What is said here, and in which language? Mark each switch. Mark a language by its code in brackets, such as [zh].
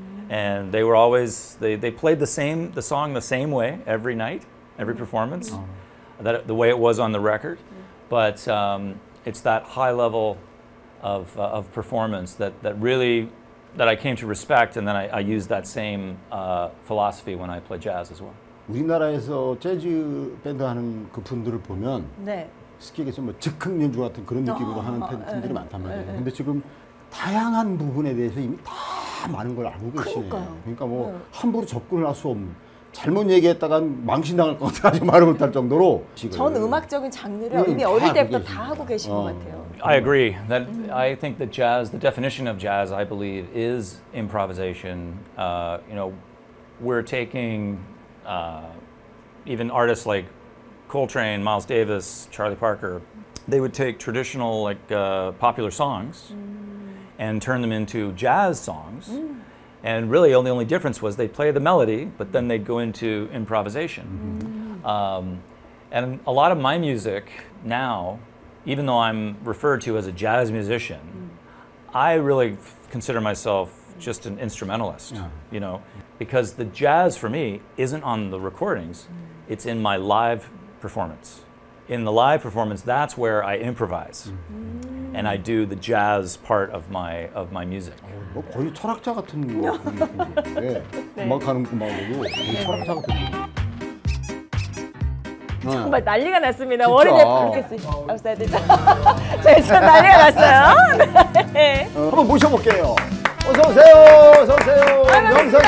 [en] And they were always, they played the song the same way every night, every performance, that the way it was on the record. But it's that high level of performance that really, that I came to respect, and then I used that same philosophy when I play jazz as well. [ko] 우리나라에서 재즈 밴드 하는 그 분들을 보면 네. 스키게 좀 뭐 즉흥 연주 같은 그런 느낌으로 하는 팬들이 많단 말이에요. 근데 지금 다양한 부분에 대해서 이미 다 많은 걸 알고 계시네요. 그러니까 뭐 함부로 접근을 할 수 없는 잘못 얘기했다간 망신당할 것 같아 아주 말을 못할 정도로 전 음악적인 장르를 이미 어릴 때부터 다 하고 계신 것 같아요. [en] I agree. That I think that jazz, the definition of jazz, I believe, is improvisation. You know, we're taking even artists like Coltrane, Miles Davis, Charlie Parker, they would take traditional, like, popular songs and turn them into jazz songs. And really, the only difference was they play the melody, but then they'd go into improvisation. And a lot of my music now, even though I'm referred to as a jazz musician, I really consider myself just an instrumentalist, you know, because the jazz for me isn't on the recordings, it's in my live performance. In the live performance, that's where I improvise. And I do the jazz part of my music. [ko] 뭐 거의 철학자 같은 거 같은데. 음악하는 것만으로 철학자 같은 거. 정말 난리가 났습니다. 월요일에 그렇게 쓰셨어야 되죠. 진짜 난리가 났어요. 한번 모셔볼게요. 어서 오세요. 영상 씨.